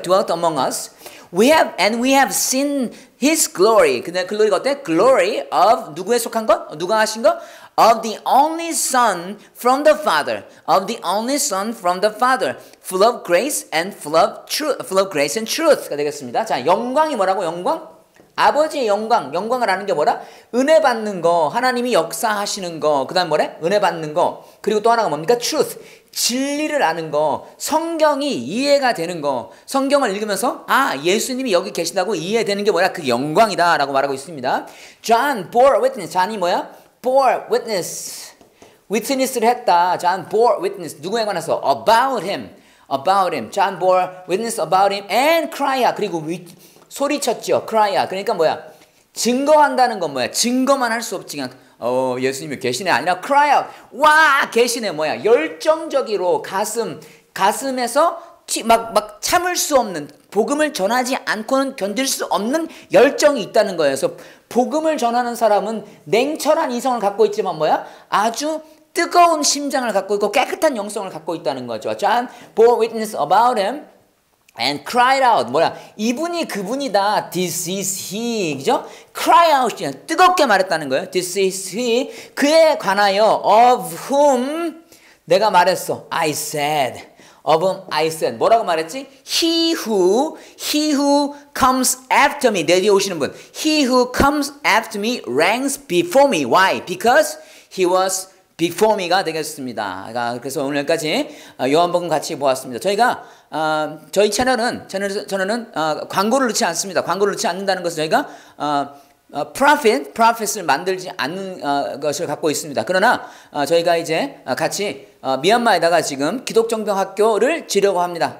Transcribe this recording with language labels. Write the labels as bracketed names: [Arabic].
[English] Dwelt among us. We have seen his glory. [Korean] 근데 글로리가 어때? [English] Glory of, [Korean] 누구에 속한 것? 누가 하신 것? [English] Of the only Son from the Father, of the only Son from the Father, full of grace and full of truth, full of grace and truth [Korean] 가 되겠습니다. 자, 영광이 뭐라고? 영광? 아버지의 영광, 영광을 아는 게 뭐라? 은혜 받는 거, 하나님이 역사하시는 거, 그다음 뭐래? 은혜 받는 거. 그리고 또 하나가 뭡니까? Truth, 진리를 아는 거, 성경이 이해가 되는 거, 성경을 읽으면서 아, 예수님이 여기 계신다고 이해되는 게 뭐야? 그 영광이다라고 말하고 있습니다. [English] John bore witness. [Korean] John이 뭐야? [English] Bore witness, [Korean] witness를 했다. [English] John bore witness. [Korean] 누구에 관해서? [English] About him. John bore witness about him and cry out. [Korean] 그리고 소리쳤죠. [English] Cry out. [Korean] 그러니까 뭐야? 증거한다는 건 뭐야? 증거만 할 수 없지. 예수님이 계시네. 아니라 [English] cry out. [Korean] 와, 계시네. 뭐야? 열정적으로 가슴에서 막 참을 수 없는, 복음을 전하지 않고는 견딜 수 없는 열정이 있다는 거예요. 그래서 복음을 전하는 사람은 냉철한 이성을 갖고 있지만 뭐야? 아주 뜨거운 심장을 갖고 있고 깨끗한 영성을 갖고 있다는 거죠. [English] John bore witness about him and cried out. [Korean] 뭐야? 이분이 그분이다. [English] This is he. [Korean] 그죠? [English] Cry out. [Korean] 뜨겁게 말했다는 거예요. [English] This is he. [Korean] 그에 관하여 [English] of whom [Korean] 내가 말했어. [English] I said. Of whom I said. [Korean] 뭐라고 말했지? [English] He who comes after me. [Korean] 내 뒤에 오시는 분. [English] He who comes after me ranks before me. Why? Because he was before me [Korean] 가 되겠습니다. 그래서 오늘까지 요한복음 같이 보았습니다. 저희가 저희 채널은 광고를 넣지 않습니다. 광고를 넣지 않는다는 것은 저희가 프로핏을 만들지 않는 것을 갖고 있습니다. 그러나 저희가 이제 같이 미얀마에다가 지금 기독정병학교를 지려고 합니다.